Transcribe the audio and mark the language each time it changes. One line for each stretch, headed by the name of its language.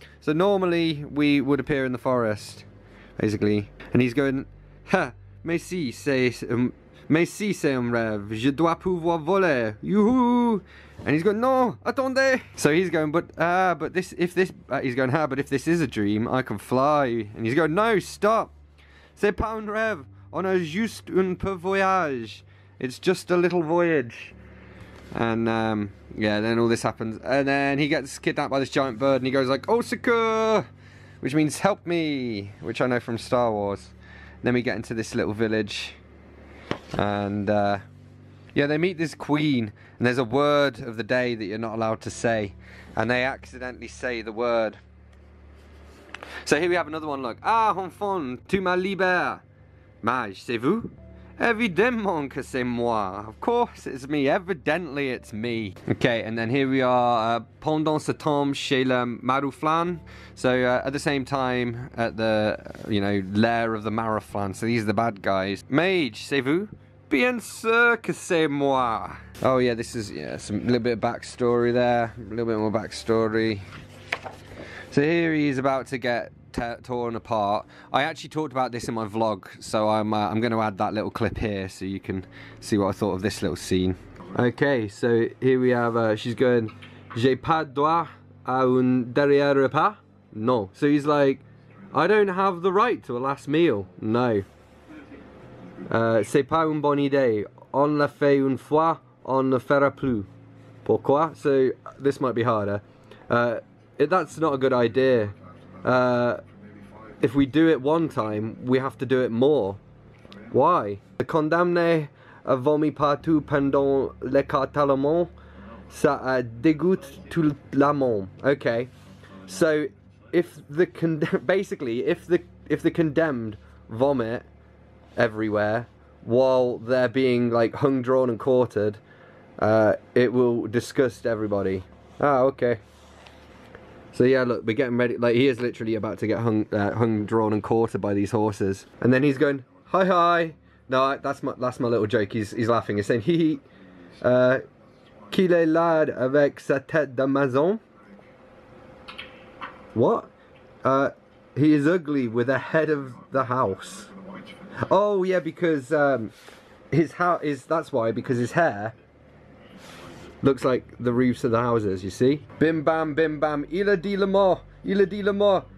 English: So normally we would appear in the forest, basically. And he's going,
French: mais si c'est un rêve, je dois pouvoir voler, youhoo!
English: And he's going,
French: non, attendez!
English: So he's going, but if this is a dream, I can fly. And he's going, no, stop!
French: C'est pas un rêve, on a juste un peu voyage.
English: It's just a little voyage. And then all this happens. And then he gets kidnapped by this giant bird and he goes like,
French: au secours!
English: Which means help me, which I know from Star Wars. Then we get into this little village. And they meet this queen. And there's a word of the day that you're not allowed to say. And they accidentally say the word. So here we have another one, look.
French: Ah, enfant, tu m'as libéré. Mais, c'est vous? Évidemment que c'est moi.
English: Of course, it's me. Evidently, it's me. Okay, and then here we are.
French: Pendant ce temps chez le marouflan.
English: So at the same time, at the lair of the marouflan. So these are the bad guys.
French: Mage, c'est vous? Bien sûr que c'est moi.
English: Oh yeah, this is some little bit of backstory there. A little bit more backstory. So here he is about to get torn apart. I actually talked about this in my vlog, so I'm going to add that little clip here so you can see what I thought of this little scene. Okay, so here we have, she's going,
French: j'ai pas droit à un dernier repas?
English: No. So he's like, I don't have the right to a last meal. No.
French: C'est pas une bonne idée. On le fait une fois, on ne fera plus. Pourquoi?
English: So this might be harder. That's not a good idea. If we do it one time, we have to do it more. Oh, yeah. Why?
French: Condamné à vomir partout pendant l'écartèlement, ça dégoûte tout le monde.
English: Okay. So, if the condemned vomit everywhere while they're being like hung, drawn, and quartered, it will disgust everybody. Ah, okay. So yeah, look, we're getting ready, like he is literally about to get hung, drawn and quartered by these horses. And then he's going, hi, hi. No, that's my little joke, he's laughing, he's saying, hee hee.
French: Qu'il est l'âne avec sa tête de maison?
English: What? He is ugly with a head of the house. Oh yeah, because his house is, that's why, because his hair looks like the roofs of the houses, you see?
French: Bim bam, bim bam, il a dit le mot, il a dit le mot.